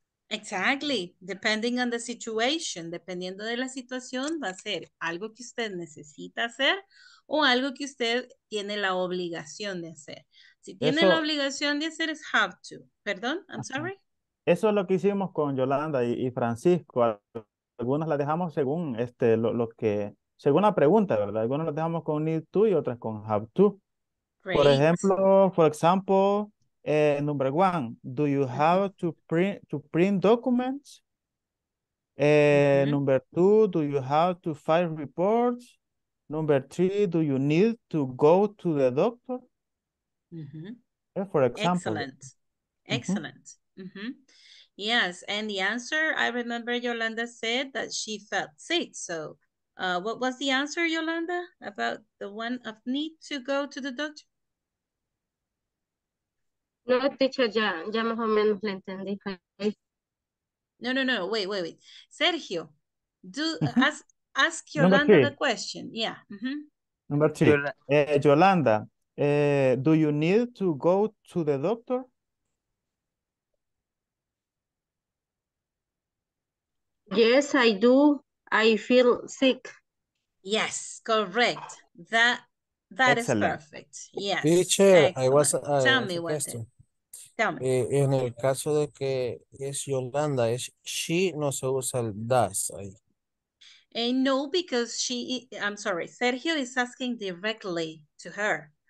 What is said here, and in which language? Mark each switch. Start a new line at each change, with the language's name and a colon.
English: Exactly. Depending on the situation,
Spanish: dependiendo de la situación, va a ser algo que usted necesita hacer o algo que usted tiene la obligación de hacer. Si tiene eso, la obligación de hacer, es have to. Perdón,
English: I'm sorry.
Spanish: Eso es lo que hicimos con Yolanda y Francisco. Algunas las dejamos según lo que, según la pregunta, ¿verdad? Algunas las dejamos con need to y otras con have to.
English: Great. For example, number one, do you have to print documents? Number two, do you have to file reports? Number three, do you need to go to the doctor? Mm-hmm. Yeah, for example. Excellent. Mm-hmm. Excellent. Mm-hmm. Yes, and the answer, I remember Yolanda said that she felt sick. So what was the answer, Yolanda, about the one of need to go to the doctor?
Spanish: No, teacher, ya más o menos le entendí.
English: No, no, no, wait. Sergio, ask Yolanda the question. Yeah. Mm-hmm. Number two. Yolanda, do you need to go to the doctor? Yes, I do. I feel sick. Yes, correct. That That Excellent. is perfect. Yes. Teacher, I was Tell me what question. Tell me.
Spanish: En el caso de que es Yolanda, es she, no se usa el does ahí.
English: No, because she, I'm sorry, Sergio is asking directly to her.